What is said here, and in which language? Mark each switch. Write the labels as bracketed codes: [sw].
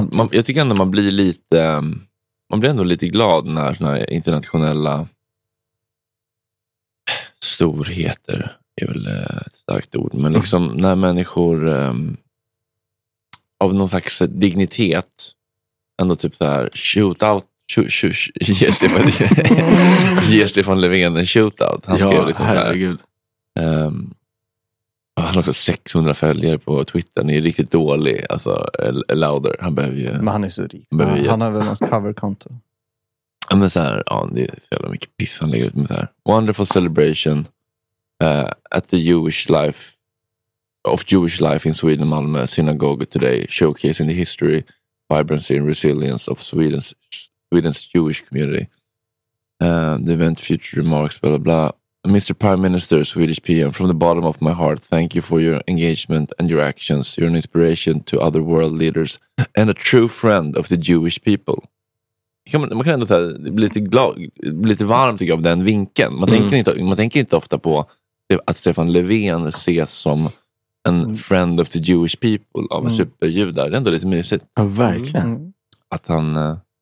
[sv] Jag tycker ändå man blir ändå lite glad när såna här internationella storheter är väl ett starkt ord, men liksom när människor av någon slags dignitet ändå typ så här ger Stefan Löfven en shootout. Han skrev liksom så här, han har också 600 följare på Twitter. Han är riktigt dålig. Alltså, Lauder. Han behöver ju... Men han är så rik. Han har väl något cover-konto. Ja, men så här. Ja, det är så jävla mycket piss han lägger ut med så här. [en] Wonderful celebration at the Jewish life of Jewish life in Sweden, Malmö synagogue today, showcasing the history, vibrancy and resilience of Sweden's Jewish community. The event future remarks, blah, blah, blah. Mr. Prime Minister, Swedish PM, from the bottom of my heart, thank you for your engagement and your actions. You're an inspiration to other world leaders and a true friend of the Jewish people. [sv] Man kan ändå säga, det blir lite glad, lite varmt av den vinkeln. Man tänker inte ofta på att Stefan Löfven ses som en [en] friend of the Jewish people [sv] av superjudar. Det är ändå lite mysigt. Ja, verkligen. Att han